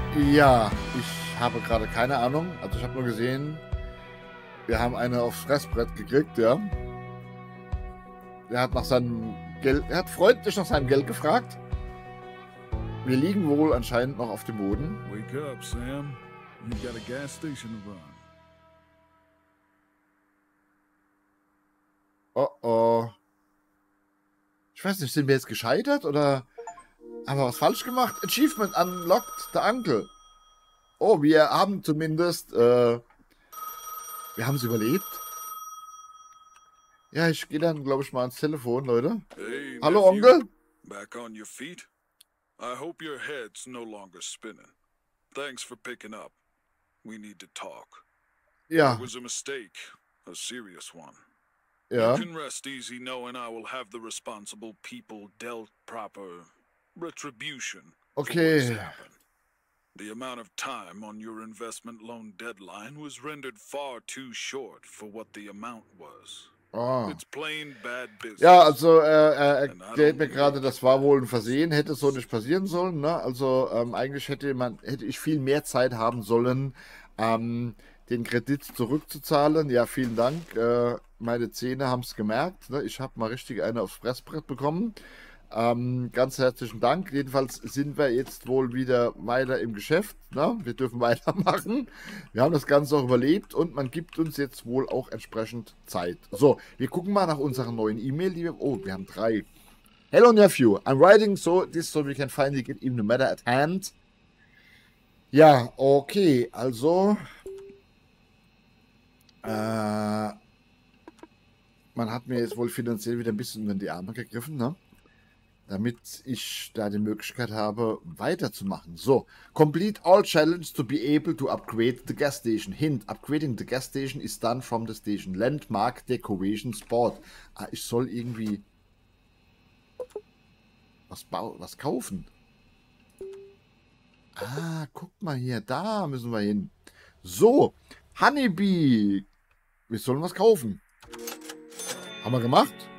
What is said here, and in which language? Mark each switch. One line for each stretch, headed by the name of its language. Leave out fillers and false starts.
German: Ja, ich habe gerade keine Ahnung. Also ich habe nur gesehen, wir haben eine aufs Fressbrett gekriegt, ja. Er hat freundlich nach seinem Geld gefragt. Wir liegen wohl anscheinend noch auf dem Boden.
English: Wake up, Sam. You've got a gas station to run. Oh oh.
German: Ich weiß nicht, sind wir jetzt gescheitert oder haben wir was falsch gemacht?
English: Achievement unlocked,
German: der Onkel. Oh, wir haben zumindest, wir haben es überlebt. Ja, ich gehe dann, glaube ich, mal ans Telefon, Leute. Hey, hallo, Onkel.
English: Back on your feet. I hope your head's no longer spinning. Thanks for picking up. We need to talk.
German: Ja.
English: It was a mistake, a serious one.
German: Ja.
English: You can rest easy knowing I will have the responsible people dealt proper retribution. Okay. The amount of time on your investment loan deadline was rendered far too short for what the amount was. Oh. It's plain bad business.
German: Ja, also er erklärt mir gerade, das war wohl ein Versehen, hätte so nicht passieren sollen. Ne? Also eigentlich hätte ich viel mehr Zeit haben sollen, den Kredit zurückzuzahlen. Ja, vielen Dank. Meine Zähne haben es gemerkt. Ne? Ich habe mal richtig eine aufs Fressbrett bekommen. Ganz herzlichen Dank. Jedenfalls sind wir jetzt wohl wieder weiter im Geschäft. Ne? Wir dürfen weitermachen. Wir haben das Ganze auch überlebt und man gibt uns jetzt wohl auch entsprechend Zeit. So, wir gucken mal nach unserer neuen E-Mail. Wir haben drei.
English: Hello, nephew. I'm writing so this so we can finally get even the matter at hand.
German: Ja, okay. Also... man hat mir jetzt wohl finanziell wieder ein bisschen in die Arme gegriffen, ne? Damit ich da die Möglichkeit habe, weiterzumachen.
English: So, complete all challenges to be able to upgrade the gas station. Hint, upgrading the gas station is done from the station. Landmark decoration spot.
German: Ah, ich soll irgendwie was kaufen. Ah, guck mal hier, da müssen wir hin. So, Honeybee. Wir sollen was kaufen. Haben wir gemacht?